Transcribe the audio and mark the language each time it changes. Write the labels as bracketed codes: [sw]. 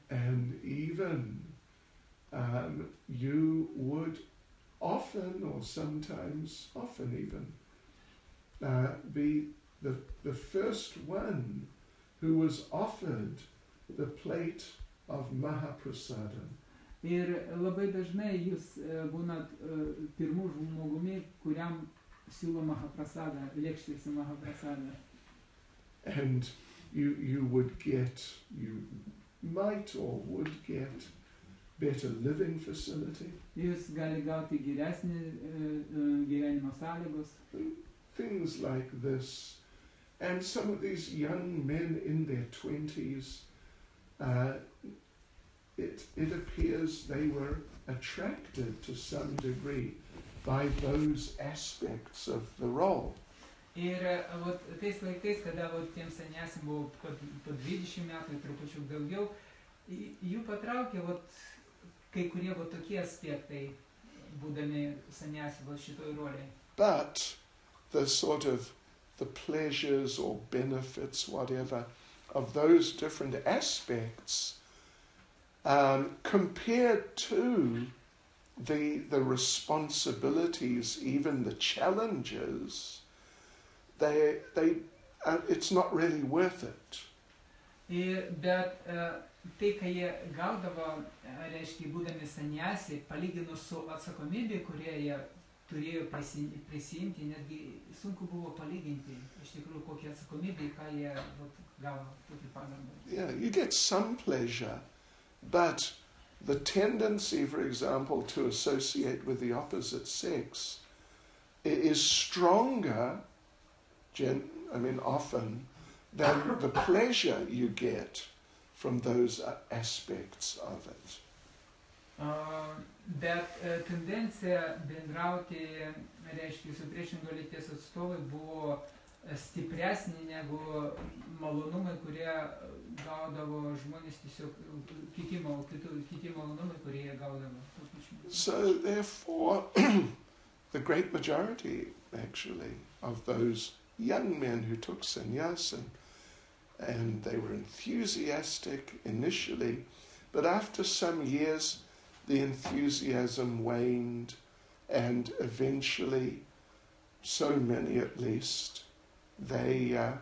[en] And even you would often or sometimes often even be the first one who was offered the plate of Mahaprasadam. [lt] Ir labai dažnai jūs būnat pirmu žmogumi, kuriam siūlo Mahaprasadą, lėkštėse Mahaprasadą. [en] And you would get, you might or would get better living facility. [lt] Jūs gali gauti geresnį gyvenimo sąlygos. [en] Things like this. And some of these young men in their 20s, it appears they were attracted to some degree by those aspects of the role. [lt] Ir vat tais laikais, kada vat tiems senesim buvo po 20 metų ir trupučiu daugiau, jų patraukė vat kai kurie vat tokie aspektai, būdami senesim vat šitoj rolėj. [en] But the sort of the pleasures or benefits, whatever, of those different aspects, compared to the responsibilities, even the challenges, they it's not really worth it. [lt] Bet tai, ką jie gaudavo, reiškia, būdami sannyasi, palyginus su atsakomybė, kurie jie turėjo prisiimti, netgi sunku buvo palyginti, iš tikrųjų, kokia atsakomybė, ką jie gavo tokį pagarbą. [en] Yeah, you get some pleasure. But the tendency, for example, to associate with the opposite sex is stronger, often, than the pleasure you get from those aspects of it. [lt] Bet tendencija bendrauti, reiškia, su priešingo lyties atstovai buvo stipresnė negu malonumai, kurie gaudavo žmonės tiesiog kiti malonumai, kurie jie gaudavo. [en] So therefore, the great majority, actually, of those young men who took sannyasin, and they were enthusiastic initially, but after some years, the enthusiasm waned, and eventually, so many at least, they